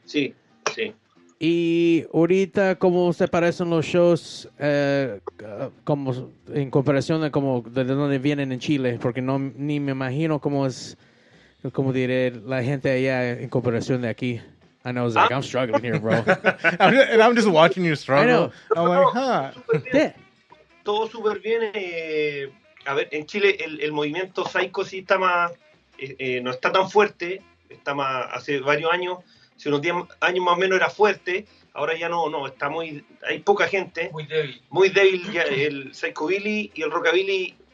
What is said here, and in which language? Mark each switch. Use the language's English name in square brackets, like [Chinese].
[Spanish] Sí. ¿Y ahorita cómo se parecen los shows como en comparación de como de dónde vienen en Chile? Porque no ni me imagino cómo es, como diré, la gente allá en comparación de aquí. Eh, [English] I know, Zach. I'm struggling here, bro. And I'm just watching you struggle. I know. I'm like, huh. [Spanish] Todo súper bien. A ver, en Chile el movimiento psycho sí está más... no está tan fuerte. Está más... Hace varios años, hace unos 10 años más o menos era fuerte. Ahora ya no, está muy... Hay poca gente. Muy débil. Muy débil ya el psychobilly y el rockabilly.